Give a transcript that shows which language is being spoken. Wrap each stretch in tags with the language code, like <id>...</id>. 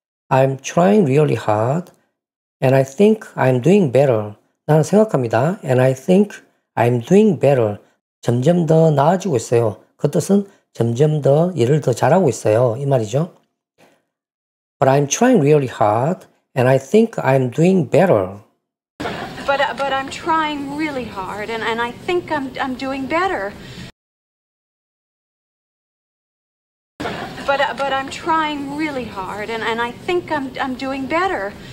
<en>I'm trying really hard, and I think I'm doing better.</en> <ko>나는 생각합니다.</ko> <en>And I think I'm doing better.</en> <ko>점점 더 나아지고 있어요. 그 뜻은 점점 더 일을 더 잘하고 있어요. 이 말이죠.</ko> <en>But I'm trying really hard, and I think I'm doing better. But I'm trying really hard, and I think I'm doing better. But I'm trying really hard, and I think I'm doing better.</en>